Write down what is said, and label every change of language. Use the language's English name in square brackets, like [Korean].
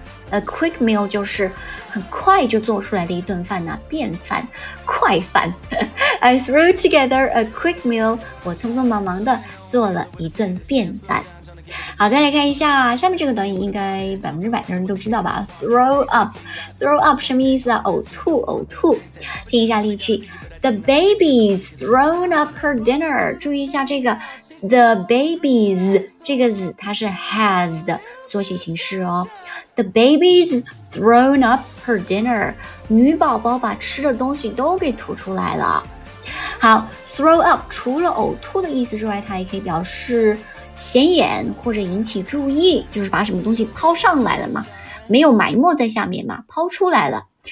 [English] A quick meal [Chinese] 就是很快就做出来的一顿饭呢、啊，便饭、快饭。 [English] I threw together a quick meal， [Chinese] 我匆匆忙忙的做了一顿便饭。好，再来看一下下面这个短语，应该100%的人都知道吧 ？ [English] Throw up， throw up [Chinese] 什么意思啊？呕吐，呕吐。听一下例句 [English] ：The baby's thrown up her dinner。 [Chinese] 注意一下这个 the baby's 这个 z 它是 has 的缩写形式哦。 [English] The baby's thrown up her dinner， [Chinese] 女宝宝把吃的东西都给吐出来了。好 ，throw up 除了呕吐的意思之外，它也可以表示显眼或者引起注意，就是把什么东西抛上来了嘛，没有埋没在下面嘛，抛出来了。